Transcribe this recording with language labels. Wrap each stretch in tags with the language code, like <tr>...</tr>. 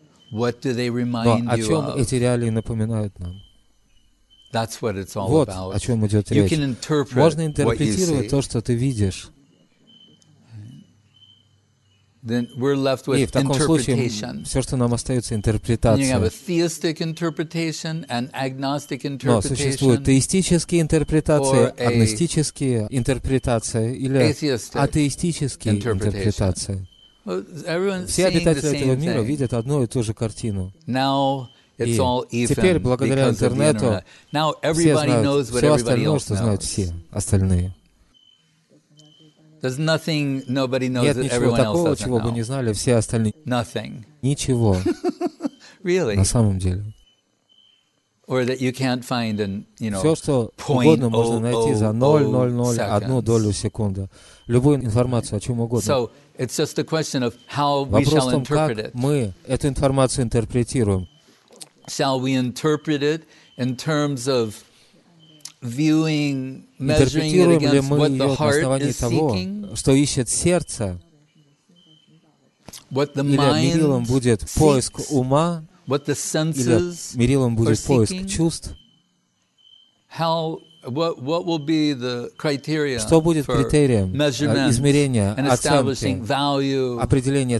<ru>Но о чем эти реалии напоминают нам? Вот о чем идет речь. Можно интерпретировать то, что ты видишь.</ru> <en>Then we're left with interpretation.</en> <ru>Все, что нам остается, интерпретация.</ru> <en>You have a theistic interpretation and agnostic interpretation.</en> <ru>Но существуют теистические интерпретации, агностические интерпретации или атеистические интерпретации. Все обитатели этого мира видят одну и ту же картину. И теперь, благодаря интернету, все знают все остальное, что знают все остальные.</ru> <en>There's nothing nobody knows.</en> <ru>Нет ничего такого, чего бы не знали все остальные.</ru> <en>Nothing.</en> <ru>Ничего.</ru> <en>Really?</en> <ru>На самом деле.</ru> <en>Or that you can't find an, you know,</en> <ru>все, что угодно можно найти за 0.00 одну долю секунды. Любую информацию о чем угодно.</ru> <en>So it's just a question of how we shall interpret it.</en> <ru>Вопрос в том, как мы эту информацию интерпретируем.</ru> <en>Shall we interpret it in terms of viewing, measuring it against what the heart is seeking,</en> <ru>что ищет сердце,</ru> <en>what the mind seeks,</en> <ru>или мерилом будет поиск ума,</ru> <en>what the senses,</en> <ru>или мерилом будет поиск чувств.</ru> <en>How, what will be the criteria?</en> <ru>Что будет критерием измерения, оценки, определения</ru>